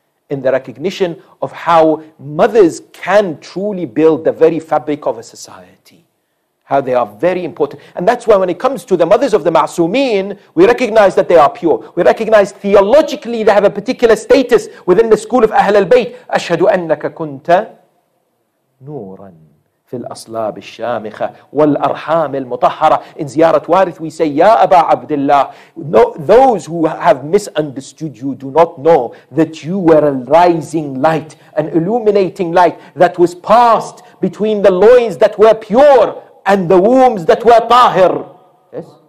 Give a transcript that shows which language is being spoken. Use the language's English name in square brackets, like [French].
[English] In the recognition of how mothers can truly build the very fabric of a society. How they are very important. And that's why when it comes to the mothers of the ma'sumeen, we recognize that they are pure. We recognize theologically they have a particular status within the school of Ahlul Bayt. [Arabic] Ashhadu annaka kunta nuran. في الأصلاب الشامخة والأرحام المطهرة. [English] In زيارت وارث we say [Arabic] يا أبا عبد الله, [English] no, those who have misunderstood you do not know that you were a rising light, an illuminating light that was passed between the loins that were pure and the wombs that were tahir. Yes?